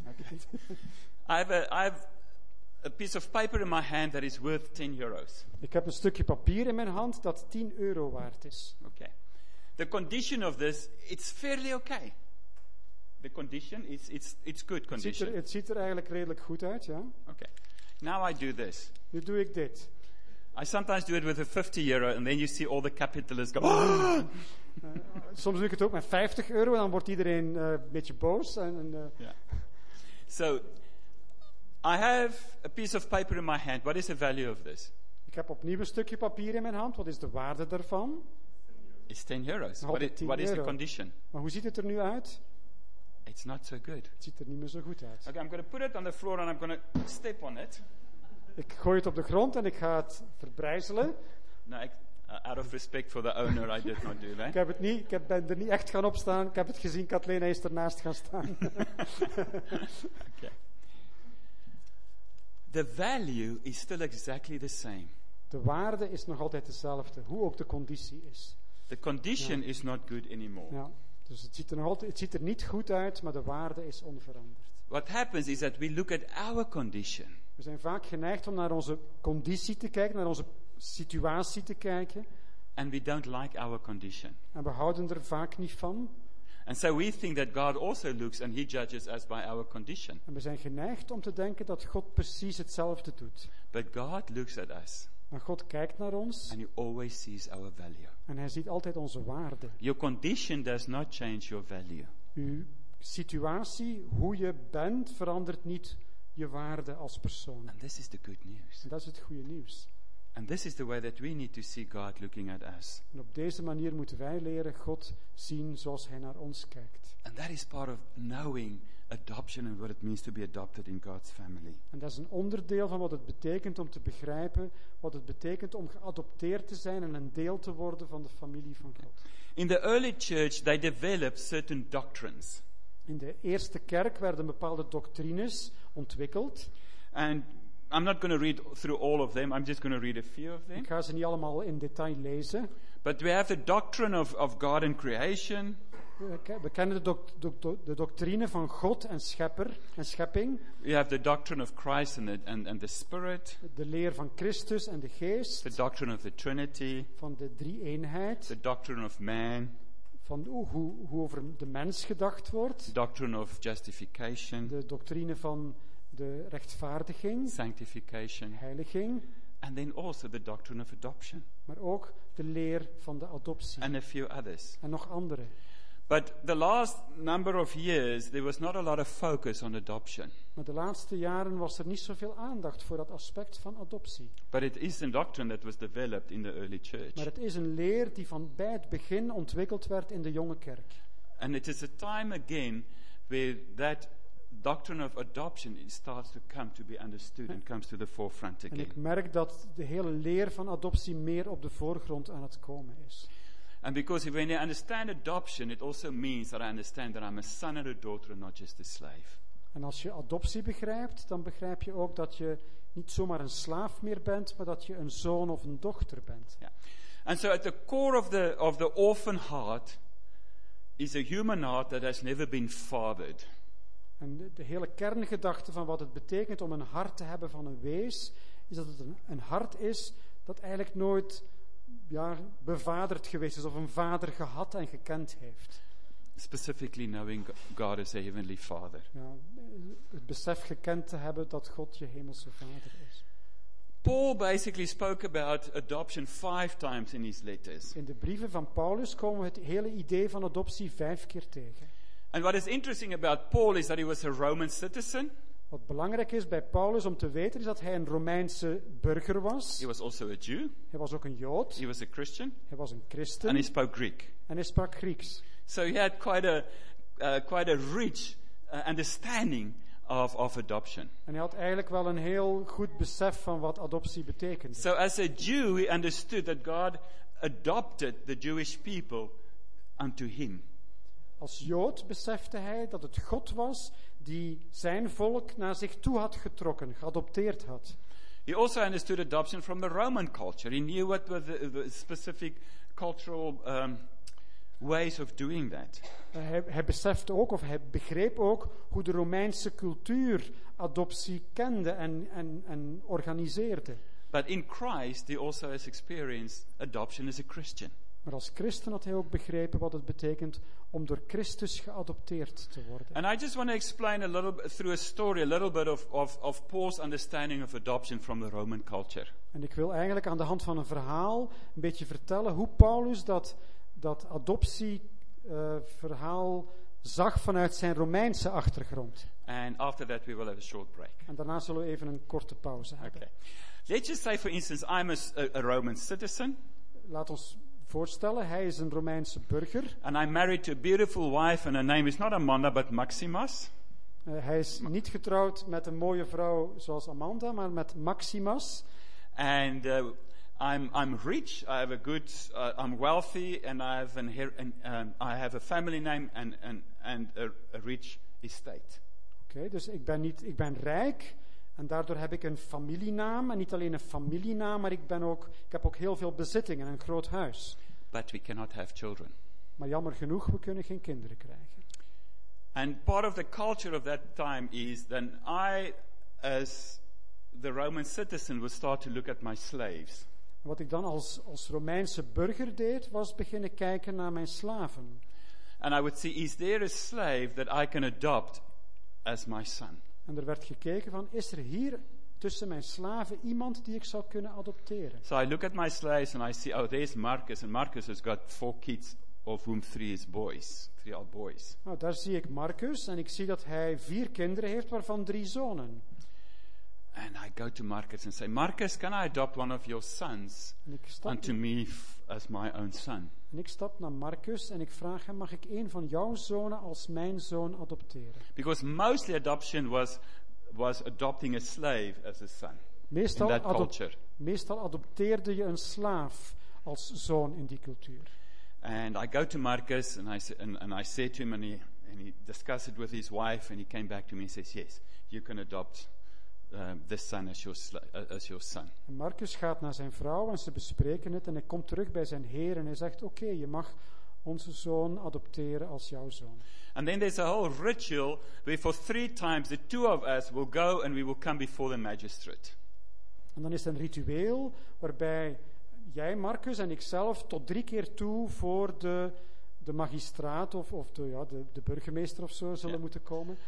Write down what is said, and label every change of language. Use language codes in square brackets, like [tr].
[en] Okay. I have a piece of paper in my hand that is worth 10 euros. [nl] Ik heb een stukje papier in mijn hand dat 10 euro waard is. [en] Okay. The condition of this, it's fairly okay. The condition is it's good condition. [nl] Het ziet er eigenlijk redelijk goed uit, ja. [en] Okay. Now I do this. [nl] Nu doe ik dit. [en] I sometimes do it with a 50 euro and then you see all the capitalists go. [nl] Soms doe ik het ook met 50 euro en dan wordt iedereen een beetje boos [en] So I have a piece of paper in my hand. What is the value of this? [nl] Ik heb opnieuw een stukje papier in mijn hand. Wat is de waarde daarvan? [en] It's 10 euros. What is the condition? [nl] Maar hoe ziet het er nu uit? [en] It's not so good. [nl] Het ziet er niet meer zo goed uit. [en] Okay, I'm going to put it on the floor and I'm going to step on it. [nl] Ik gooi het op de grond en ik ga het verbrijzelen. [en] No, out of respect for the owner, I did not do that. [nl] Ik ben er niet echt gaan opstaan. Ik heb het gezien, Kathleen is ernaast gaan staan. [en] Okay. The value is still exactly the same. [nl] De waarde is nog altijd dezelfde, hoe ook de conditie is. [en] The condition is not good anymore. [nl] Ja. Dus het ziet er niet goed uit, maar de waarde is onveranderd. [en] What happens is that we look at our condition. [nl] We zijn vaak geneigd om naar onze conditie te kijken, naar onze situatie te kijken. [en] And we don't like our condition. [nl] En we houden er vaak niet van. [en] And so we think that God also looks and he judges us by our condition. [nl] En we zijn geneigd om te denken dat God precies hetzelfde doet. [en] But God looks at us. [nl] Maar God kijkt naar ons. [en] And he always sees our value. [nl] En hij ziet altijd onze waarde. [en] Your condition does not change your value. [nl] Uw situatie, hoe je bent, verandert niet je waarde als persoon. [en] And this is the good news. [nl] En dat is het goede nieuws. [en] And this is the way that we need to see God looking at us. [nl] En op deze manier moeten wij leren God zien zoals hij naar ons kijkt. [en] And that is part of knowing adoption and what it means to be adopted in God's family. [nl] En dat is een onderdeel van wat het betekent om te begrijpen wat het betekent om geadopteerd te zijn en een deel te worden van de familie van God. [en] In the early church they developed certain doctrines. [nl] In de eerste kerk werden bepaalde doctrines ontwikkeld. [en] And I'm not going to read through all of them. I'm just going to read a few of them. [nl] Ik ga ze niet allemaal in detail lezen. [en] But we have the doctrine of God and creation. [nl] We kennen de doctrine van God en schepper en schepping. [en] We have the doctrine of Christ and the Spirit. [nl] De leer van Christus en de Geest. [en] The doctrine of the Trinity. [nl] Van de drie eenheid. [en] The doctrine of man. [nl] Van hoe over de mens gedacht wordt. [en] The doctrine of justification. [nl] De doctrine van de rechtvaardiging. [en] Sanctification. [nl] Heiliging. [en] And then also the doctrine of adoption. [nl] Maar ook de leer van de adoptie. [en] And a few others. [nl] En nog andere. [en] But the last number of years there was not a lot of focus on adoption. [nl] Maar de laatste jaren was er niet zoveel aandacht voor dat aspect van adoptie. [en] But it is a doctrine that was developed in the early church. [nl] Maar het is een leer die van bij het begin ontwikkeld werd in de jonge kerk. [en] And it is a time again where that doctrine of adoption starts to come to be understood and comes to the forefront again. [nl] En ik merk dat de hele leer van adoptie meer op de voorgrond aan het komen is. [en] And because if I understand adoption, it also means that I understand that I'm a son and a daughter and not just a slave. [nl] En als je adoptie begrijpt, dan begrijp je ook dat je niet zomaar een slaaf meer bent, maar dat je een zoon of een dochter bent. [en] Yeah. And so at the core of the orphan heart is a human heart that has never been fathered. [nl] En de hele kerngedachte van wat het betekent om een hart te hebben van een wees, is dat het een hart is dat eigenlijk nooit bevaderd geweest is of een vader gehad en gekend heeft. [en] Specifically knowing God as a heavenly father. [nl] Ja, het besef gekend te hebben dat God je hemelse vader is. [en] Paul basically spoke about adoption 5 times in his letters. [nl] In de brieven van Paulus komen we het hele idee van adoptie 5 keer tegen. [en] And what is interesting about Paul is that he was a Roman citizen. [nl] Wat belangrijk is bij Paulus om te weten is dat hij een Romeinse burger was. [en] He was also a Jew. [nl] Hij was ook een Jood. [en] He was a Christian. [nl] Hij was een Christen. [en] And he spoke Greek. [nl] En hij sprak Grieks. [en] So he had quite a rich understanding of adoption. [nl] En hij had eigenlijk wel een heel goed besef van wat adoptie betekent. [en] So as a Jew, he understood that God adopted the Jewish people unto him. [nl] Als Jood besefte hij dat het God was die zijn volk naar zich toe had getrokken, geadopteerd had. [en] He also understood adoption from the Roman culture. He knew what were the specific cultural ways of doing that. [nl] Hij besefte ook, of hij begreep ook, hoe de Romeinse cultuur adoptie kende en organiseerde. [en] But in Christ, he also has experienced adoption as a Christian. [nl] Maar als christen had hij ook begrepen wat het betekent om door Christus geadopteerd te worden. [en] And I just want to explain a little bit through a story a little bit of Paul's understanding of adoption from the Roman culture. [nl] En ik wil eigenlijk aan de hand van een verhaal een beetje vertellen hoe Paulus dat adoptie verhaal zag vanuit zijn Romeinse achtergrond. [en] And after that we will have a short break. [nl] En daarna zullen we even een korte pauze hebben. [en] Okay. Let's just say for instance I'm a Roman citizen. [nl] Laat ons voorstellen, hij is een Romeinse burger. [en] And I'm married to a beautiful wife and her name is not Amanda but Maximas. [nl] Hij is niet getrouwd met een mooie vrouw zoals Amanda, maar met Maximas. [en] And I'm rich. I have a good. I'm wealthy and I have a family name and a rich estate. [nl] Oké, dus ik ben rijk. En daardoor heb ik een familienaam. En niet alleen een familienaam, maar ik heb ook heel veel bezittingen en een groot huis. [en] But we cannot have children. [nl] Maar jammer genoeg, we kunnen geen kinderen krijgen. [en] And part of the culture of that time is that I, as the Roman citizen, would start to look at my slaves. [nl] Wat ik dan als Romeinse burger deed, was beginnen kijken naar mijn slaven. [en] And I would see, is there a slave that I can adopt as my son? [nl] En er werd gekeken van, is er hier tussen mijn slaven iemand die ik zou kunnen adopteren? [en] So I look at my slaves and I see, oh, there's Marcus. And Marcus has got 4 kids, of whom 3 is boys. 3 are boys. [nl] Nou, daar zie ik Marcus en ik zie dat hij 4 kinderen heeft, waarvan 3 zonen. [en] And I go to Marcus and say, Marcus, can I adopt one of your sons unto me as my own son? [nl] En ik stap naar Marcus en ik vraag hem, mag ik een van jouw zonen als mijn zoon adopteren? [en] Because mostly adoption was adopting a slave as a son. [nl] Meestal [en] in that culture. [nl] Meestal adopteerde je een slaaf als zoon in die cultuur. [en] And I go to Marcus and I say to him and he discussed it with his wife and he came back to me and says, yes, you can adopt this son as your son. [nl] En Marcus gaat naar zijn vrouw en ze bespreken het en hij komt terug bij zijn heer en hij zegt: oké, je mag onze zoon adopteren als jouw zoon. [en] And then there's a whole ritual where for three times the two of us will go and we will come before the magistrate. [nl] En dan is er een ritueel waarbij jij, Marcus, en ikzelf tot drie keer toe voor de magistraat of de burgemeester of zo zullen moeten komen.